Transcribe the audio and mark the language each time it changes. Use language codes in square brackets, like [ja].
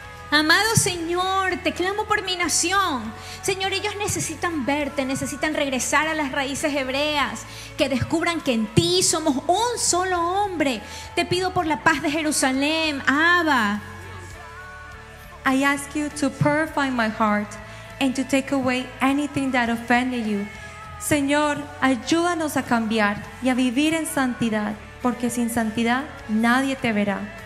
[es] Amado Señor, te clamo por mi nación. Señor, ellos necesitan verte, necesitan regresar a las raíces hebreas, que descubran que en ti somos un solo hombre. Te pido por la paz de Jerusalén, Abba. [en] I ask you to purify my heart and to take away anything that offended you. [es] Señor, ayúdanos a cambiar y a vivir en santidad, porque sin santidad nadie te verá.